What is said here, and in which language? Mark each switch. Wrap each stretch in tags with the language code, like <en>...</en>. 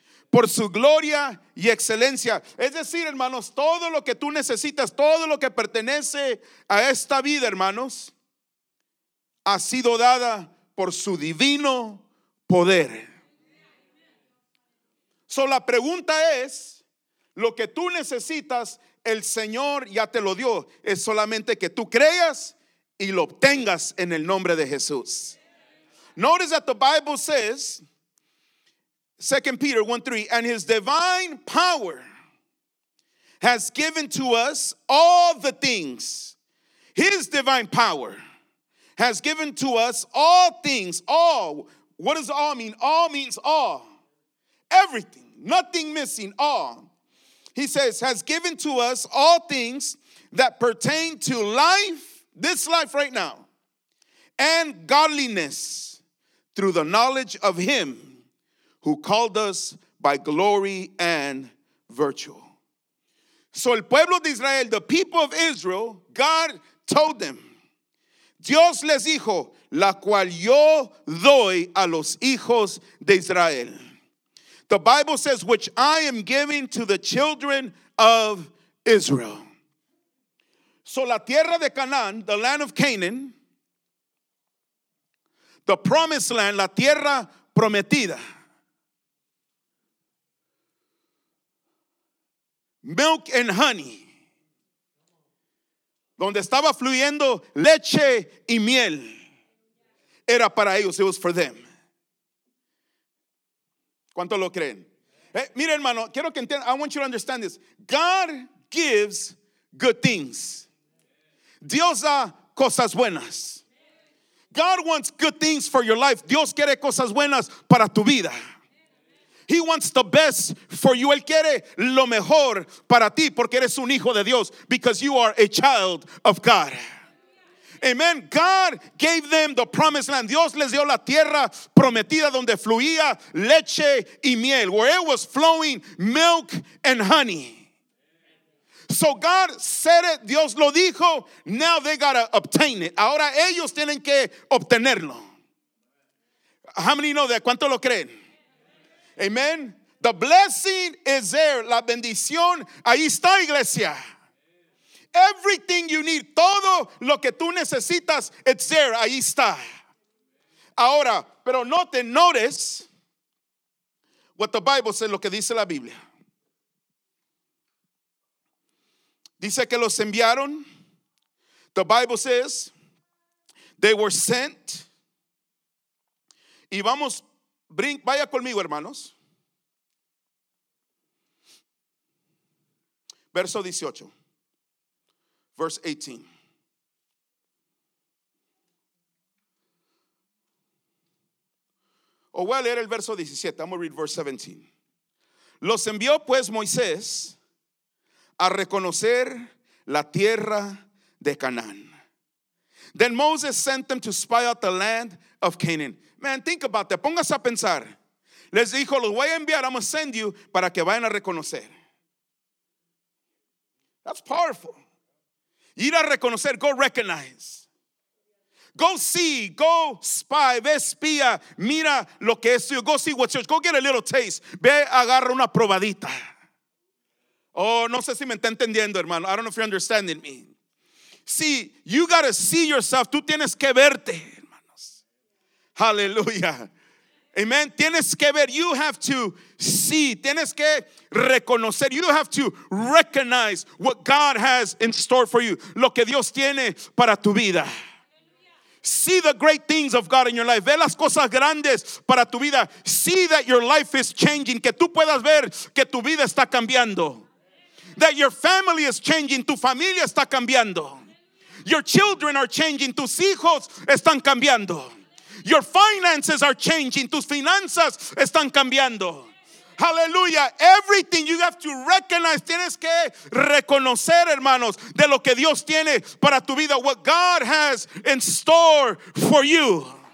<es>Por su gloria y excelencia. Es decir, hermanos, todo lo que tú necesitas, todo lo que pertenece a esta vida, hermanos, ha sido dada por su divino poder. So la pregunta es, lo que tú necesitas, el Señor ya te lo dio. Es solamente que tú creas y lo obtengas en el nombre de Jesús.</es> <en>Notice that the Bible says, 2 Peter 1:3, and his divine power has given to us all the things. His divine power has given to us all things. All. What does all mean? All means all. Everything. Nothing missing. All. He says, has given to us all things that pertain to life, this life right now, and godliness through the knowledge of him who called us by glory and virtue.</en> <es>So el pueblo de Israel,</es> <en>the people of Israel, God told them,</en> <es>Dios les dijo, la cual yo doy a los hijos de Israel.</es> <en>The Bible says, which I am giving to the children of Israel.</en> <es>So la tierra de Canaan,</es> <en>the land of Canaan, the promised land,</en> <es>la tierra prometida.</es> <en>Milk and honey.</en> <es>Donde estaba fluyendo leche y miel. Era para ellos,</es> <en>it was for them.</en> <es>¿Cuánto lo creen? Hey, mire, hermano, quiero que entiendan,</es> <en>I want you to understand this. God gives good things.</en> <es>Dios da cosas buenas.</es> <en>God wants good things for your life.</en> <es>Dios quiere cosas buenas para tu vida.</es> <en>He wants the best for you.</en> <es>Él quiere lo mejor para ti porque eres un hijo de Dios.</es> <en>Because you are a child of God. Amen. God gave them the promised land.</en> <es>Dios les dio la tierra prometida donde fluía leche y miel.</es> <en>Where it was flowing milk and honey. So God said it,</en> <es>Dios lo dijo,</es> <en>now they gotta obtain it.</en> <es>Ahora ellos tienen que obtenerlo.</es> <en>How many know that?</en> <es>¿Cuánto lo creen?</es> <en>Amen. The blessing is there.</en> <es>La bendición, ahí está, iglesia.</es> <en>Everything you need,</en> <es>todo lo que tú necesitas,</es> <en>it's there,</en> <es>ahí está. Ahora, pero</es> <en>notice what the Bible says,</en> <es>lo que dice la Biblia. Dice que los enviaron.</es> <en>The Bible says they were sent.</en> <es>Y vamos, vaya conmigo, hermanos. Verso 18.</es> <en>Verse 18.</en> <es>O voy a leer el verso 17.</es> <en>I'm going to read verse 17.</en> <es>Los envió pues Moisés a reconocer la tierra de Canaán.</es> <en>Then Moses sent them to spy out the land of Canaan. Man, think about that.</en> <es>Póngase a pensar. Les dijo, los voy a enviar,</es> <en>I'm going to send you,</en> <es>para que vayan a reconocer.</es> <en>That's powerful.</en> <es>Ir a reconocer,</es> <en>go recognize. Go see, go spy,</en> <es>ve espía, mira lo que es tuyo.</es> <en>Go see what's yours, go get a little taste.</en> <es>Ve, agarra una probadita. Oh, no sé si me está entendiendo, hermano.</es> <en>I don't know if you're understanding me. See, you got to see yourself.</en> <es>Tú tienes que verte, hermanos.</es> <en>Hallelujah. Amen.</en> <es>Tienes que ver.</es> <en>You have to see.</en> <es>Tienes que reconocer.</es> <en>You have to recognize what God has in store for you.</en> <es>Lo que Dios tiene para tu vida.</es> <en>See the great things of God in your life.</en> <es>Ve las cosas grandes para tu vida.</es> <en>See that your life is changing.</en> <es>Que tú puedas ver que tu vida está cambiando.</es> <en>That your family is changing.</en> <es>Tu familia está cambiando.</es> <en>Your children are changing.</en> <es>Tus hijos están cambiando.</es> <en>Your finances are changing.</en> <es>Tus finanzas están cambiando.</es> <en>Hallelujah. Everything you have to recognize.</en> <es>Tienes que reconocer, hermanos, de lo que Dios tiene para tu vida.</es> <en>What God has in store for you.</en>